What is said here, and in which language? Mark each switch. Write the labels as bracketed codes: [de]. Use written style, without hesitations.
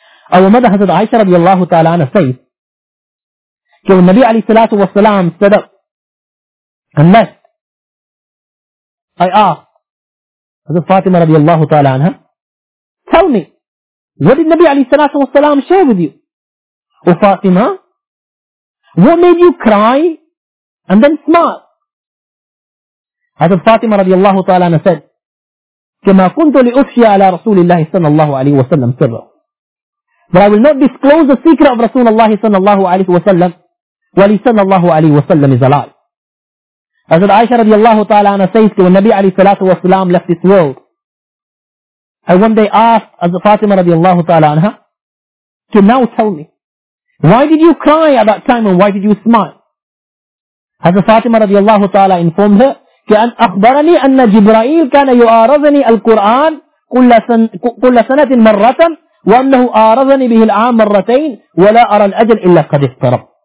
[en] Our mother Hazrat Aisha radiallahu ta'ala anha says, so when Nabi alayhi salatu wasalam stood up and left, I asked Hazrat Fatima radiallahu ta'ala anha, tell me, what did Nabi alayhi salatu wasalam share with you? O Fatima, What made you cry and then smile? Hazrat Fatima radiallahu ta'ala anha said, [ar] كَمَا كُنْتُ لِأُفْشِيَ عَلَى رَسُولِ اللَّهِ صَلَّى اللَّهُ عَلَيْهِ وَسَلَّمْ سِرًّا. [en] But I will not disclose the secret of Rasulullah sallallahu alayhi wa sallam while he sallallahu alayhi wa sallam is alive. Hazrat Aisha radiallahu ta'ala anha says, when Nabi alayhi salatu wa salam left this world, and one day asked Hazrat Fatima radiallahu ta'ala anha to now tell me, why did you cry at that time and why did you smile? Hazrat Fatima radiallahu ta'ala informed her, [ar] كأن أخبرني أن جبرائيل كان يعارضني القرآن كل سنة مرة وأنه عارضني به العام مرتين ولا أرى الأجل إلا قد اقترب.